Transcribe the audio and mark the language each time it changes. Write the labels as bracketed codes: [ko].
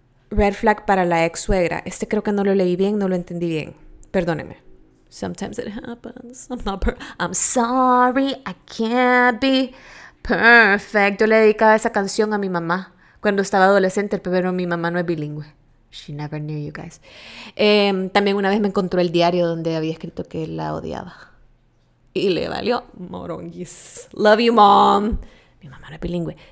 [es] Red flag para la ex-suegra. Este creo que no lo leí bien, no lo entendí bien. Perdóneme. [en] Sometimes it happens. I'm sorry, I can't be perfect. [es] Yo le dedicaba esa canción a mi mamá cuando estaba adolescente, pero mi mamá no es bilingüe. [en] She never knew you guys. [es] También una vez me encontró el diario donde había escrito que la odiaba. Y le valió moronguis. [en] Love you, mom. [es] Mi mamá no es bilingüe.